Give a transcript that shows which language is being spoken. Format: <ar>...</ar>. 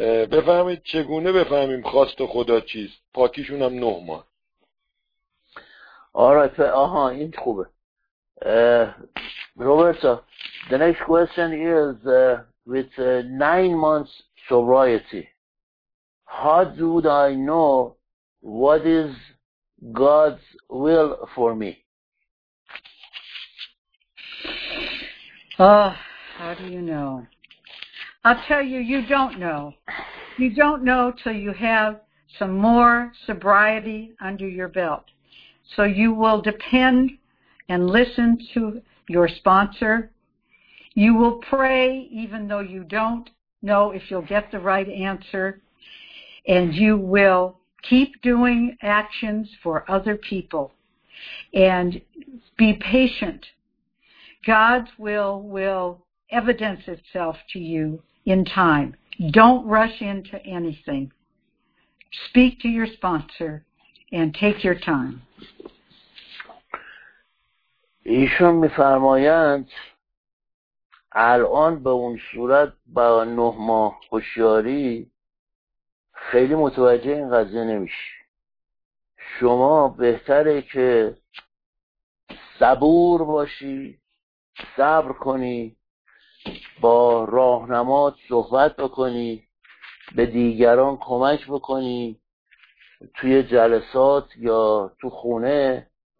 <fa>بفهمید چگونه بفهمیم خواست خدا چیست؟ پاکیشون هم نه ماه. آره آها این خوبه.</fa> <en>Roberta the next question is with 9 months sobriety, how would I know what is God's will for me? Oh, how do you know? I'll tell you, you don't know. You don't know till you have some more sobriety under your belt. So you will depend and listen to your sponsor. You will pray even though you don't know if you'll get the right answer. And you will keep doing actions for other people. And be patient. God's will evidence itself to you in time. Don't rush into anything. Speak to your sponsor and take your time.</en> <fa>ایشون میفرمایند الان به اون صورت با 9 ماه هوشیاری خیلی متوجه این قضیه نمیشی. شما بهتره که صبور باشی، صبر کنی، با راهنمات صحبت بکنی، به دیگران کمک بکنی، توی جلسات یا تو خونه</fa>